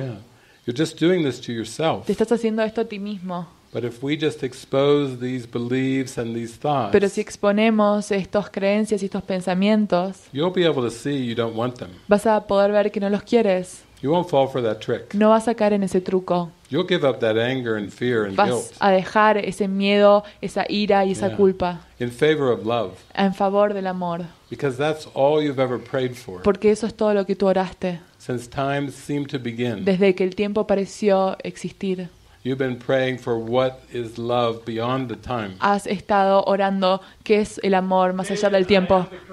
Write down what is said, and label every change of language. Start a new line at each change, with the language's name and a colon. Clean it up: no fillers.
English: Yeah. You're just doing this to yourself.
Spanish: Te estás haciendo esto a ti mismo.
English: But if we just expose these beliefs and these thoughts,
Spanish: pero si exponemos estas creencias y estos pensamientos,
English: you'll be able to see you don't want them.
Spanish: Vas a poder ver que no los quieres.
English: You won't fall for that trick.
Spanish: No vas a caer en ese truco.
English: You'll give up that anger and fear and
Spanish: vas
English: guilt.
Spanish: A dejar ese miedo, esa ira y esa yeah. culpa.
English: In favor of love.
Spanish: En favor del amor.
English: Because that's all you've ever prayed for.
Spanish: Porque eso es todo lo que tú oraste.
English: Since time seemed to begin.
Spanish: Desde que el tiempo pareció existir.
English: You've been praying for what is love beyond the time.
Spanish: Has estado orando qué es el amor más allá del tiempo.